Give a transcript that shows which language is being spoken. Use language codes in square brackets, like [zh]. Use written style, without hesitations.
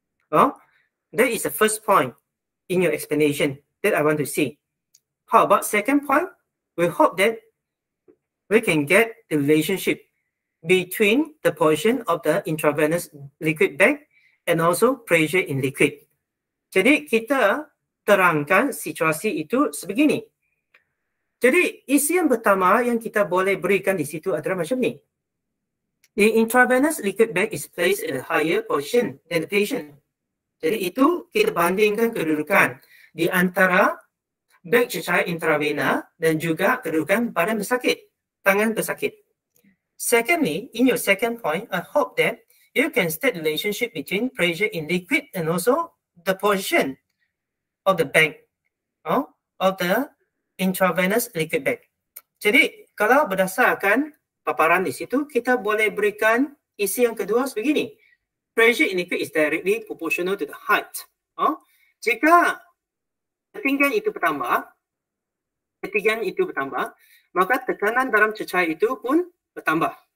[en] Well, that is the first point in your explanation that I want to see. How about second point? We hope that we can get the relationship between the position of the intravenous liquid beg and also pressure in liquid. [ms] Jadi kita terangkan situasi itu sebegini. Jadi isi yang pertama yang kita boleh berikan di situ adalah macam ni. [en] The intravenous liquid bag is placed at a higher position than the patient. [ms] Jadi itu kita bandingkan kedudukan di antara bag cecair intravena dan juga kedudukan badan pesakit, tangan pesakit. [en] Secondly, in your second point, I hope that you can state the relationship between pressure in liquid and also the position of the bag of the intravenous liquid bag. [ms] Jadi kalau berdasarkan paparan di situ, kita boleh berikan isi yang kedua sebegini. [en] Pressure in liquid is directly proportional to the height. [ms] Jika ketinggian itu bertambah, maka tekanan dalam cecair itu pun bertambah.